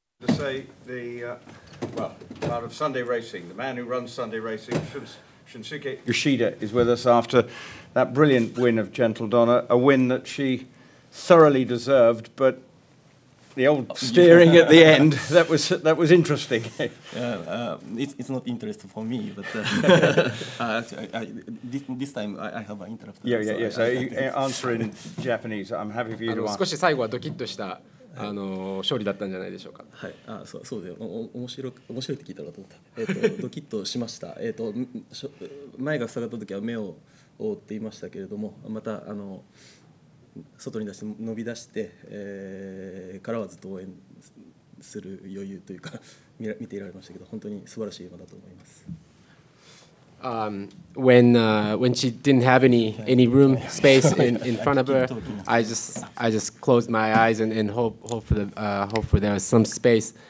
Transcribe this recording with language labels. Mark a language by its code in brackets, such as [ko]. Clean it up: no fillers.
[en] to say the, well, part of Sunday Racing, the man who runs Sunday Racing, Shunsuke Yoshida, is with us after that brilliant win of Gentildonna, a win that she thoroughly deserved, but the old steering at the end, that was interesting. It's not interesting for me, but this time I have an interest. So answer in Japanese, I'm happy for you to answer. [ja] 少し最後はドキッとした勝利だったんじゃないでしょうか。はい、そうだよ。面白いって聞いたらと思った。ドキッとしました。前が塞がった時は目を覆っていましたけれども、また外に出して伸び出して、からはずっと応援する余裕というか見ていられましたけど、本当に素晴らしい馬だと思います。 [en] When she didn't have any room space in front of her, I just closed my eyes and hope for there was some space.